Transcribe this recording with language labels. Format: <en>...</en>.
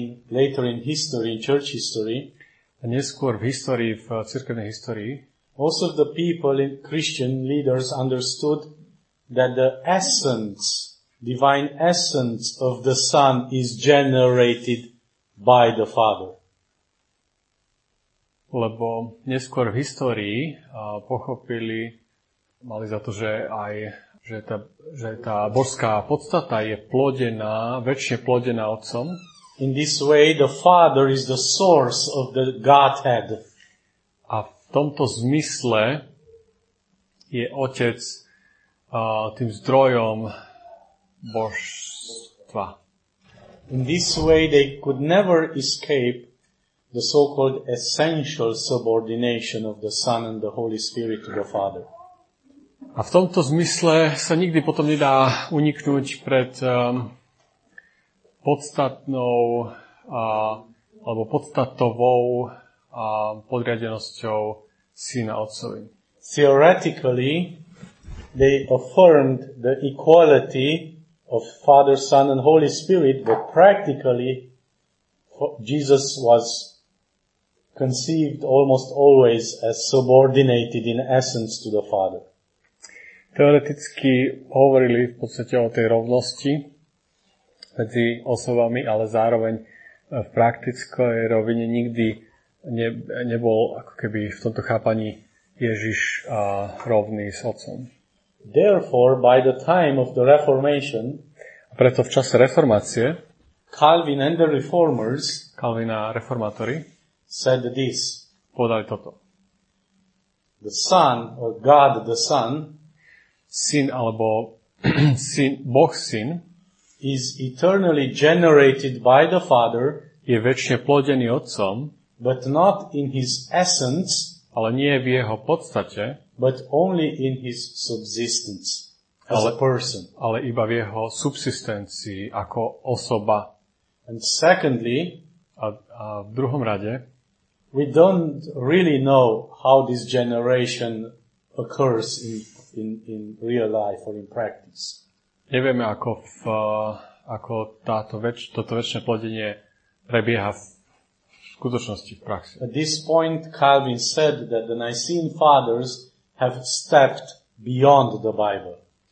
<en>Later in history, in church history,</en> <sk>a neskôr v histórii, v cirkevnej histórii,</sk> <en>most of the people in Christian leaders understood that the essence, divine essence of the Son is generated by the Father.</en> <sk>Lebo neskôr v histórii pochopili, mali za to, že aj že tá božská podstata je plodená, večne plodená Otcom.</sk> <en>In this way the Father is the source of the Godhead.</en> <sk>A v tomto zmysle je Otec tým zdrojom božstva.</sk> <en>In this way they could never escape the so-called essential subordination of the Son and the Holy Spirit to the Father.</en> <sk>A v tomto zmysle sa nikdy potom nedá uniknúť pred podstatnou alebo podstatovou podriadenosťou Syna Otcovi.</sk> <en>Theoretically, they affirmed the equality of Father, Son and Holy Spirit, but practically, Jesus was conceived almost always as subordinated in essence to the Father.</en> <sk>Teoreticky hovorili v podstate o tej rovnosti medzi osobami, ale zároveň v praktickej rovine nikdy nebol ako keby v tomto chápaní Ježiš rovný s Otcom.</sk> <en>Therefore, by the time of the Reformation,</en> <sk>a preto v čase reformácie,</sk> <en>Calvin and the Reformers,</en> <sk>Calvin a reformátori,</sk> <en>said this.</en> <sk>Podali toto.</sk> <en>The Son, or God the Son,</en> <sk>Syn alebo Syn, Boh Syn,</sk> <en>is eternally generated by the Father,</en> <sk>je večne plodený Otcom,</sk> <en>but not in his essence,</en> <sk>ale nie v jeho podstate,</sk> <en>but only in his subsistence, as a person.</en> <sk>Ale iba v jeho subsistencii, ako osoba.</sk> <en>And secondly,</en> <sk>a v druhom rade,</sk> <en>we don't really know how this generation occurs in real life or in practice.</en> <sk>Nevieme, ako toto večné plodenie prebieha v skutočnosti, v praxi.</sk> <en>At this point, Calvin said that the Nicene Fathers have stepped beyond the Bible.</en>